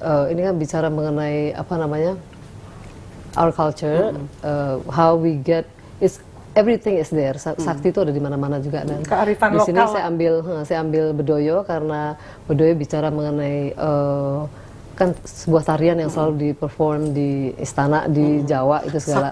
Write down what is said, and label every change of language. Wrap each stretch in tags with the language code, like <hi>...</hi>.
<id>Ini kan bicara mengenai apa namanya?</id> <en>Our culture, how we get is everything is there.</en> <id>Sakti itu ada di mana-mana juga dan kearifan di sini lokal. saya ambil Bedoyo karena Bedoyo bicara mengenai kan sebuah tarian yang selalu diperform di istana di Jawa itu segala</id>